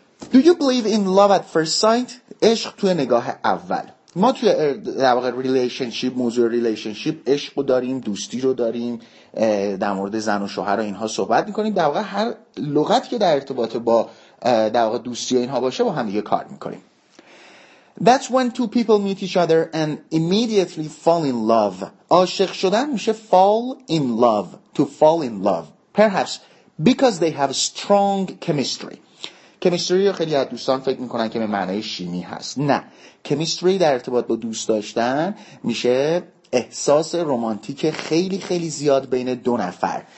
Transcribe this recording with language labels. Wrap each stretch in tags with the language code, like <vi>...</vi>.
<en>Do you believe in love at first sight؟</en> <fa>عشق توی نگاه اول. ما توی در واقع ریلیشنشیپ، موضوع ریلیشنشیپ، عشق رو داریم، دوستی رو داریم، در مورد زن و شوهر و اینها صحبت میکنیم. در واقع هر لغتی که در ارتباط با در واقع دوستی و اینها باشه با هم دیگه کار میکنیم.</fa> <en>That's when two people meet each other and immediately fall in love.</en> <fa>عاشق شدن میشه</fa> <en>fall in love. To fall in love. Perhaps because they have strong chemistry.</en> <fa>کمیستری رو خیلی از دوستان فکر میکنن که به معنای شیمی هست. نه. کمیستری در ارتباط با دوست داشتن میشه احساس رمانتیک خیلی خیلی زیاد بین دو نفر.</fa>